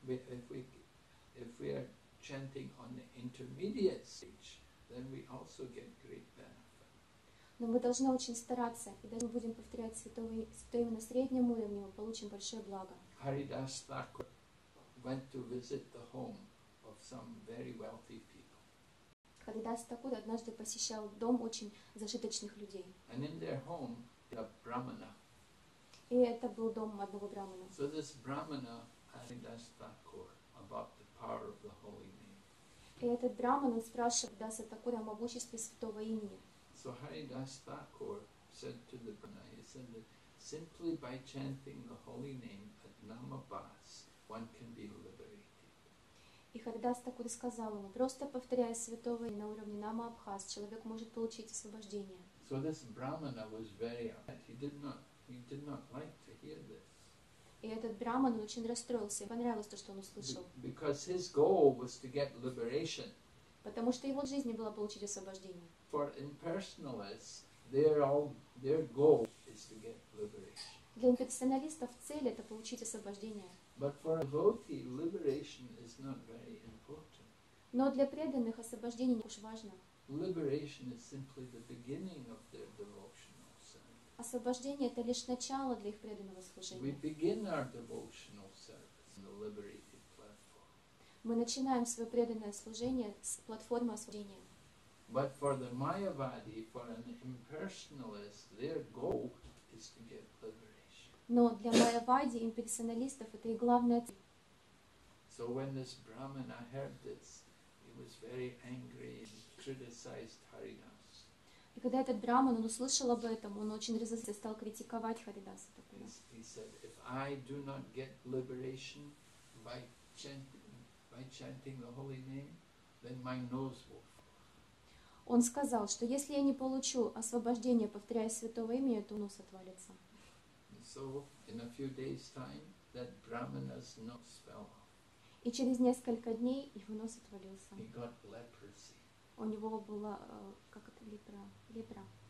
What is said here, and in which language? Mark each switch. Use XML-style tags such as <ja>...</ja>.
<en>If we are chanting on the intermediate stage, then we also get great benefit.</en> <ru>Но мы должны очень стараться, и даже мы будем повторять святое имя на среднем уровне, мы получим большое благо.</ru> <en>Haridas Thakur went to visit the home of some very wealthy people.</en> <ru>Haridas Thakur однажды посещал дом очень зажиточных людей.</ru> <en>And in their home, a brahmana.</en> <ru>И это был дом одного брахмана.</ru> <en>So this brahmana, Haridas Thakur, about the power of the holy name.</en> <ru>И этот брахман спрашивал Haridas Thakur о могуществе святого имени.</ru> <en>So Haridas Thakur said to the Brahmana, he said that simply by chanting the holy name at Namabhas, one can be liberated.</en> <ru>И Haridas Thakur сказал ему, просто повторяя святого имя на уровне Намабхас, человек может получить освобождение.</ru> <en>So this Brahmana was very upset. He did not like to hear this.</en> <ru>И этот Брахман очень расстроился. Ему понравилось то, что он услышал.</ru> <en>Because his goal was to get liberation.</en> <ru>потому что его жизни было получить освобождение.</ru> <en>For impersonalists, their goal is to get liberation.</en> <ru>Для имперсоналистов цель — это получить освобождение.</ru> <en>But for a devotee, liberation is not very important.</en> <ru>Но для преданных освобождение не так уж важно.</ru> <en>Liberation is simply the beginning of their devotional service.</en> <ru>Освобождение — это лишь начало для их преданного служения.</ru> <en>We begin our devotional service in the liberated platform.</en> <ru>Мы начинаем свое преданное служение с платформы освобождения.</ru> <en>But for the Mayavadi, for an impersonalist, their goal is to get liberated.</en> <ru>Но для майявади, имперсоналистов, это и главная цель.</ru> <en>So when this Brahmana heard this, he was very angry and criticized Haridas.</en> <ru>И когда этот Брахман, он услышал об этом, он очень разозлился и стал критиковать Харидаса.</ru> <en>He said, if I do not get liberation by chanting the holy name, then my nose will fall.</en> <ru>Он сказал, что если я не получу освобождение, повторяя святого имя, то нос отвалится.</ru> <en>So in a few days' time, that brahmana's nose fell off.</en> <ru>И через несколько дней его нос отвалился.</ru> <en>He got leprosy.</en> <ru>У него была как это лепра.</ru>